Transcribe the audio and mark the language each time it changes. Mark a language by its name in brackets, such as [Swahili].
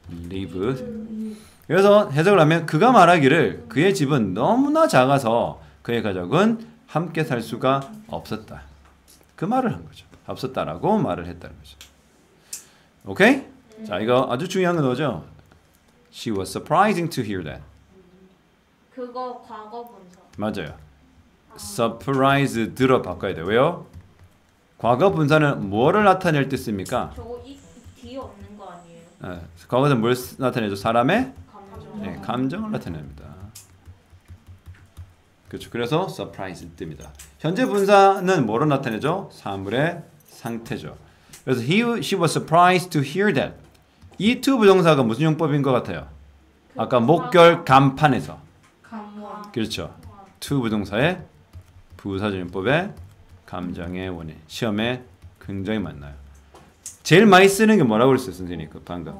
[English] live. [Korean] 그래서 해석을 하면 그가 말하기를 그의 집은 너무나 작아서 그의 가족은 함께 살 수가 없었다. 그 말을 한 거죠. 없었다라고 말을 했다는 거죠. 오케이? 자, 이거 아주 중요한 거죠. [English] She was surprising to hear that. [Korean] 그거 과거 분사. 맞아요. Surprise 들어 바꿔야 돼요. 왜요? 과거 분사는 뭐를 나타낼 때 씁니까? 저거 뒤 없는 거 아니에요? 아, 과거는 뭘 나타내죠? 사람의? 감정. 네, 감정을 나타냅니다. 그렇죠. 그래서 surprise 뜹니다. 현재 분사는 뭐로 나타내죠? 사물의 상태죠. 그래서 [English] she was surprised to hear that. [Korean] 이 to 부정사가 무슨 용법인 것 같아요? 아까 목결 간판에서. 감원. 그렇죠. to 부정사의 부사적 용법에 감정의 원인. 시험에 굉장히 많나요. 제일 많이 쓰는 게 뭐라고 그랬어요? 선생님 그 방금.